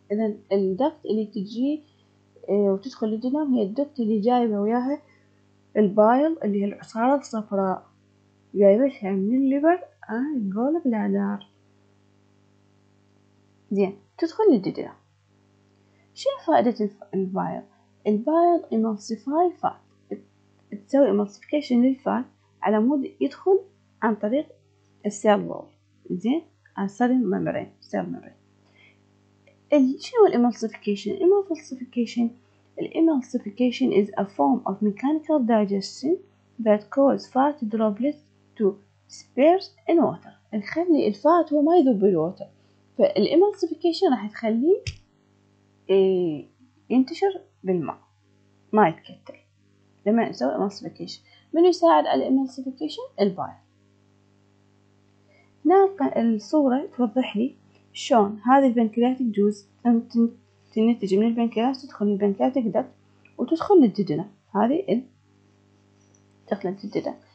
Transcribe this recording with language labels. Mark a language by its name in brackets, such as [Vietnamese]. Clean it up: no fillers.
[Arabic] اذا الدكت اللي تجي وتدخل الدودنام هي الدكت اللي جايبه وياها البايل اللي هي العصارة الصفراء، جايبتها من الليفر اند جول بلادر. زين، تدخل الديدنام. شنو فائدة البايض؟ البايض [English] emulsify fat، [Arabic] تسوي emulsification للفات على مود يدخل عن طريق السيل وول، زين السيل ميمبرين، سيل ميمبرين. شنو الإيمالسيفيكيشن؟ الإيمالسيفيكيشن، الإيمالسيفيكيشن [English] is a form of mechanical digestion that cause fat droplets to disperse in water. [Arabic] نخلي الفات هو ما يذوب بالوتر، فالإيمالسيفيكيشن راح تخليه ينتشر بالماء ما يتكتل. لما نسوي إيمالسيفيكيشن، من يساعد على الإيمالسيفيكيشن؟ البايض. ناقة الصورة توضح لي شون هذه البنكرياتيك جوز تنتج من البنكرياس، تدخل البنكرياتيك دكت وتدخل للدجنة، هذه تدخل للدجنة.